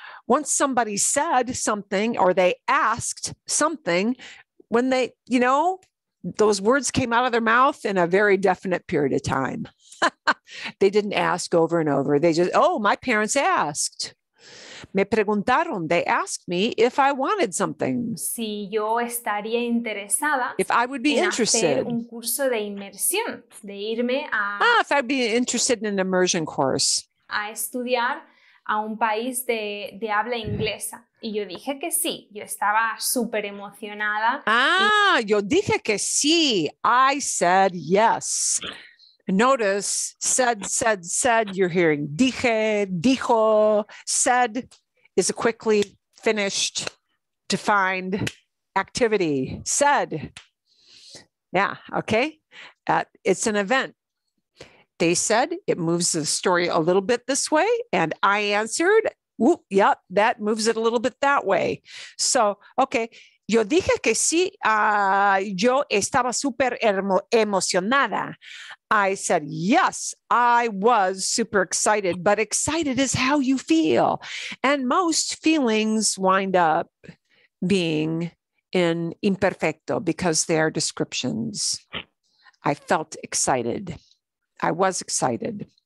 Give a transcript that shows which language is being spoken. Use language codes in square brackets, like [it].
[en] Once somebody said something or they asked something, when they, you know, those words came out of their mouth in a very definite period of time. They didn't ask over and over. They just, my parents asked. [es] Me preguntaron, [en] they asked me if I wanted something. [es] Si yo estaría interesada. [en] If I would be interested. [es] En hacer un curso de inmersión, de irme a... [en] if I'd be interested in an immersion course. [es] A estudiar a un país de habla inglesa. Y yo dije que sí. Yo estaba súper emocionada. Yo dije que sí. [en] I said yes. notice said, you're hearing dije, dijo, said is a quickly finished defined activity. Said. Yeah. Okay. It's an event. They said it moves the story a little bit this way. And I answered, whoop, yep, that moves it a little bit that way. So, okay. [es] Yo dije que sí, yo estaba super emocionada. [en] I said, yes, I was super excited, but excited is how you feel. And most feelings wind up being in imperfecto because they are descriptions. I felt excited. I was excited.